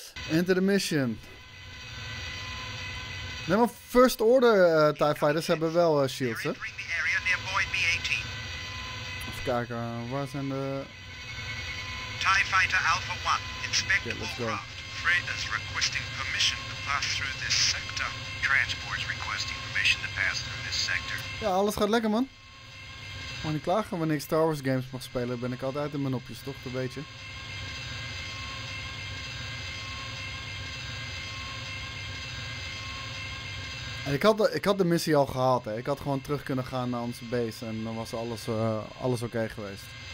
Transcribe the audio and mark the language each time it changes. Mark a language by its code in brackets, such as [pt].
[en] Enter the mission. [nl] Nee, maar First Order TIE Fighters hebben wel shields, hè? Even kijken, waar zijn de... [en] TIE Fighter Alpha 1, inspect warcraft. Fred is requesting permission to pass through this sector. Transport is requesting permission to pass through this sector. [nl] Ja, alles gaat lekker, man. Ik mag niet klagen, wanneer ik Star Wars games mag spelen, ben ik altijd in mijn nopjes, toch? Dat weet je. En ik had de missie al gehad, hè. Ik had gewoon terug kunnen gaan naar onze base en dan was alles oké geweest.